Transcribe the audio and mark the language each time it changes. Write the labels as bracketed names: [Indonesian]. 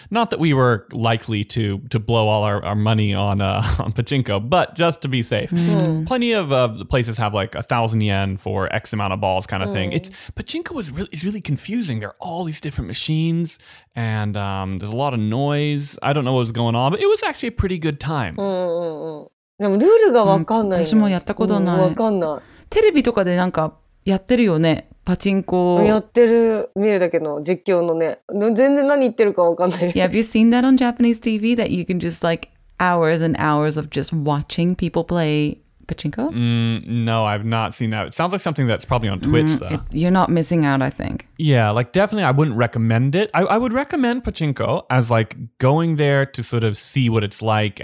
[English] Not that we were likely to blow all our money on pachinko, but just to be safe. Mm. Plenty of places have like 1,000 yen for X amount of balls kind of thing. Pachinko is really confusing. There are all these different machines and there's a lot of noise. I don't know what was going on, but it was actually a pretty good time. Mm. [Japanese] でもルールが分かんない。私もやったことない。分かんない。テレビとかでなんかやってるよね、パチンコ。やってる、見るだけの実況のね。全然何言ってるか分かんない。 [English] Yeah, have you seen that on Japanese TV? That you can just like hours and hours of just watching people play pachinko? No, I've not seen that. It sounds like something that's probably on Twitch, though. You're not missing out, I think. Yeah, like definitely I wouldn't recommend it. I would recommend pachinko as like going there to sort of see what it's like.